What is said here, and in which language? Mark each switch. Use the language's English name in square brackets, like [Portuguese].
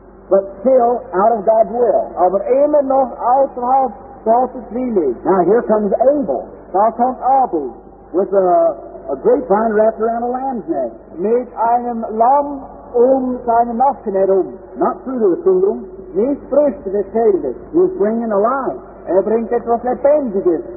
[English] But still out of God's will. [German] Aber immer noch außerhalb Gottes Wille. [English] Now here comes Abel. [German] Da kommt Abel. [English] With a grapevine wrapped around a lamb's neck. [German] Mit einem Lamm seine Nacken herum. [English] Not fruit of the field. [German] Nicht Früchte des Feldes. [English] He's bringing a life. [German] Bringt etwas Lebendiges.